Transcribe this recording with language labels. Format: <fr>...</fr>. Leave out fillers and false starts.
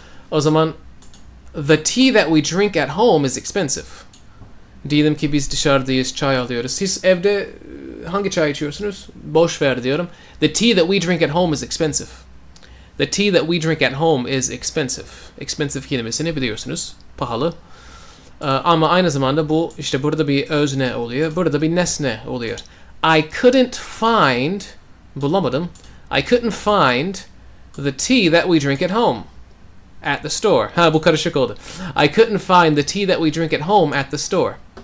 <tr>O zaman</tr> <en>the tea that we drink at home is expensive.</en> <tr>Diyelim ki biz dışarıdayız, çay alıyoruz. Siz evde hangi çay içiyorsunuz? Boş ver diyorum.</tr> <en>The tea that we drink at home is expensive. The tea that we drink at home is expensive.</en> <tr>Expensive kelimesini biliyorsunuz. Pahalı. Ama aynı zamanda bu, işte burada bir özne oluyor. Burada bir nesne oluyor.</tr> <en>I couldn't find,</en> <tr>bulamadım.</tr> <en>I couldn't find the tea that we drink at home. At the store.</en> <tr>Ha, bu karışık oldu.</tr> <en>I couldn't find the tea that we drink at home at the store.</en>